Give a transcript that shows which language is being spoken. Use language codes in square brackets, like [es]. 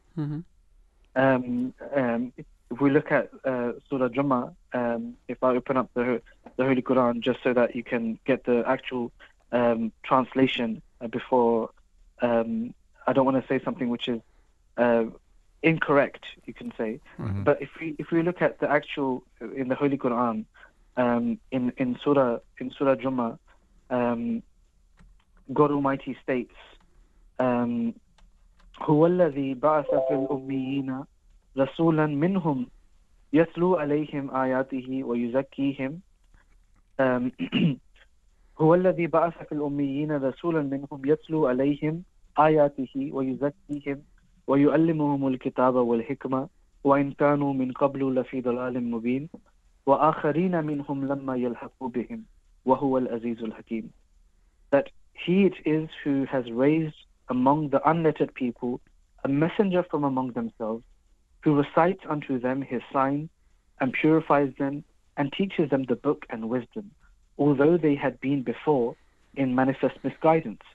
[en] Mm-hmm. If we look at Surah Jummah, if I open up the Holy Quran, just so that you can get the actual translation before, I don't want to say something which is incorrect, you can say. Mm-hmm. But if we look at the actual, in the Holy Quran, in Surah Jummah, God Almighty states, [ar] هو الذي بعث في الأميين رسولا منهم يتلو عليهم آياته ويزكيهم هو الذي بعث في الأميين رسولا منهم يتلو عليهم آياته ويزكيهم ويعلمهم الكتاب والحكمة وإن كانوا من قبل لفي ضلال مبين وآخرين منهم لما يلحقوا بهم وهو العزيز الحكيم. [en] That he it is who has raised among the unlettered people a messenger from among themselves, who recites unto them his sign, and purifies them, and teaches them the book and wisdom, although they had been before in manifest misguidance.